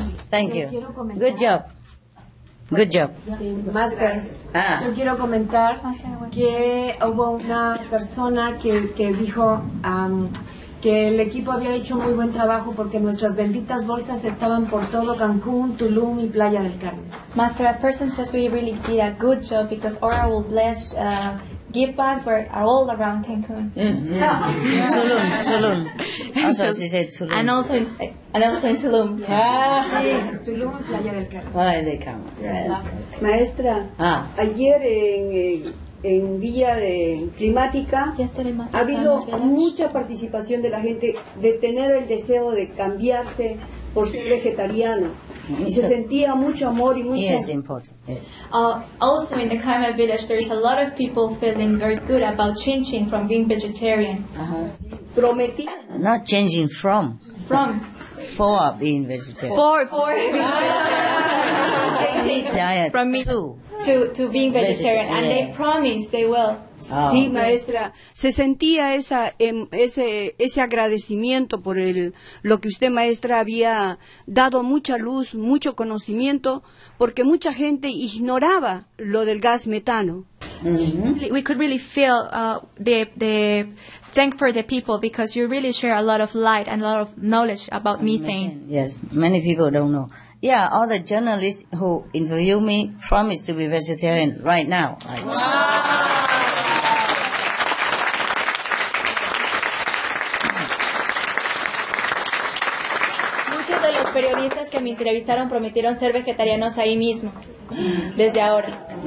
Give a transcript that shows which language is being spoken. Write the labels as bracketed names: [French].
[English] Thank you. Good job. Good job. [Spanish] Sí, Master. Ah. Yo quiero comentar que hubo una persona que dijo que el equipo había hecho muy buen trabajo porque nuestras benditas bolsas estaban por todo Cancún, Tulum y Playa del Carmen. [English] Master, a person says we really did a good job because Aura will bless gift bags are all around Cancun. Tulum. Also, she said Tulum. And also in Tulum. Yeah. [Spanish] Ah. Sí, Tulum, Playa del Carmen. [English] Playa del Carmen. Yes. [Spanish] Maestra. Ah. Ayer en Villa de Climática ha habido mucha participación de la gente de tener el deseo de cambiarse por ser vegetariano. Y se sentía mucho amor y mucho. [English] Yes, important. Yes. Also in the climate village, there is a lot of people feeling very good about changing from being vegetarian. Uh-huh. [Spanish] Prometí. [English] Not changing from. From. For being vegetarian. For. Changing diet. From me. To being vegetarian. Yeah. And they promise they will. Oh. [Spanish] Sí, maestra. Se sentía ese agradecimiento por lo que usted, maestra, había dado mucha luz, mucho conocimiento, porque mucha gente ignoraba lo del gas metano. Mm-hmm. [English] We could really feel the thank for the people, because you really share a lot of light and a lot of knowledge about methane. Yes, many people don't know. Yeah, all the journalists who interview me promise to be vegetarian right now. [Spanish] Muchos de los periodistas que me entrevistaron prometieron ser vegetarianos ahí mismo, desde ahora.